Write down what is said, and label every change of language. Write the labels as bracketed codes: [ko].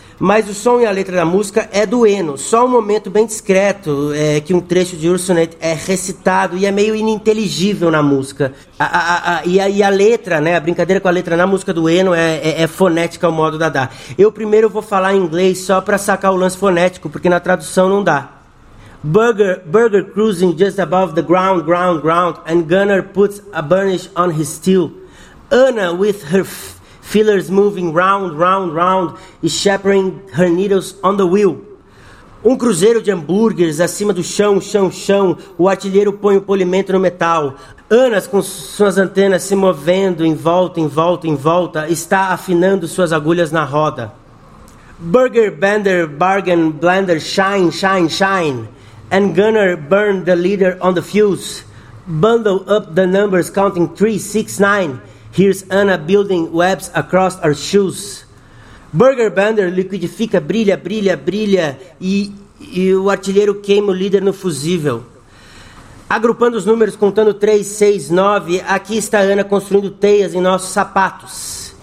[pt] Mas o som e a letra da música é do Eno. Só um momento bem discreto que um trecho de Ursonet é recitado e é meio ininteligível na música. E a letra, né, a brincadeira com a letra na música do Eno é fonética ao modo Dada. Eu primeiro vou falar em inglês só pra sacar o lance fonético, porque na tradução não dá. [en] Burger cruising just above the ground, and Gunner puts a burnish on his steel. Anna with her feelers moving round, e shepherding her needles on the wheel. [pt] Um cruzeiro de hambúrgueres acima do chão, o artilheiro põe o polimento no metal. Anas, com suas antenas se movendo em volta, está afinando suas agulhas na roda. [en] Burger Bender, Bargain Blender, Shine, Shine, Shine. And Gunner Burn the Leader on the Fuse. Bundle up the numbers, counting 3, 6, 9. Here's Anna building webs across our shoes. [pt] Burger Bender liquidifica, brilha, brilha, brilha. E o artilheiro queima o líder no fusível. Agrupando os números, contando 3, 6, 9, aqui está a Ana construindo teias em nossos sapatos.